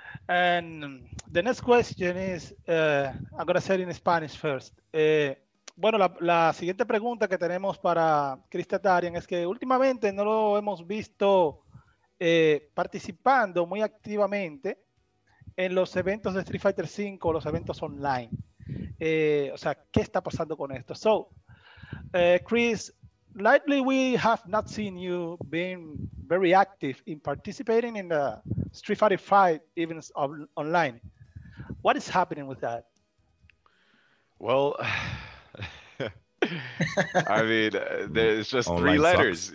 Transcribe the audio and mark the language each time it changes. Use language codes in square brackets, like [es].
[en] And the next question is, I'm going to say it in Spanish first. [es] Bueno, la siguiente pregunta que tenemos para Chris Tatarian es que últimamente no lo hemos visto participando muy activamente en los eventos de Street Fighter V, los eventos online. O sea, ¿qué está pasando con esto? [en] So, Chris, lately we have not seen you being very active in participating in the Street Fighter V events online. What is happening with that? Well, I mean, it's just online three letters.